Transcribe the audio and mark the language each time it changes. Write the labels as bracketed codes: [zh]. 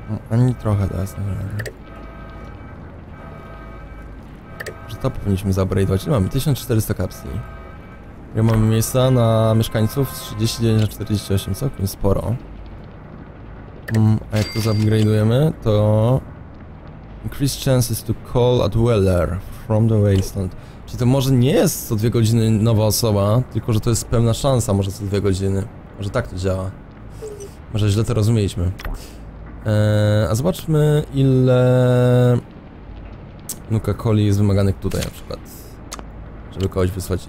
[pl] Ani trochę teraz, naprawdę. Że to powinniśmy zaupgrade'ować. Nie mamy 1400 kapsli. Ja mam miejsca na mieszkańców 39 na 48, całkiem sporo. A jak to zaupgrade'ujemy, to... [en] Increase chances to call a dweller from the wasteland. [pl] Czyli to może nie jest co 2 godziny nowa osoba, tylko że to jest pełna szansa może co 2 godziny. Może tak to działa. Może źle to rozumieliśmy. A zobaczmy, ile Nuka-Coli jest wymaganych tutaj na przykład. Żeby kogoś wysłać.